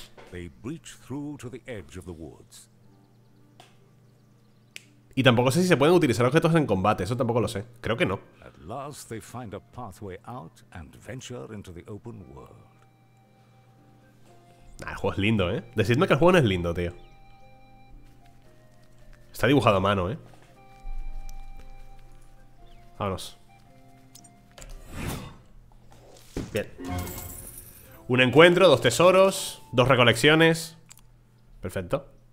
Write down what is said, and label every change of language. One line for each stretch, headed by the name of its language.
English: They breach through to the edge of the woods.
Spanish: Y tampoco sé si se pueden utilizar objetos en combate. Eso tampoco lo sé. Creo que no.
English: At last they find a pathway out and venture into the open world.
Spanish: Nah, el juego es lindo, ¿eh? Decidme que el juego no es lindo, tío. Está dibujado a mano, ¿eh? Vámonos. Bien. Un encuentro, dos tesoros, dos recolecciones. Perfecto.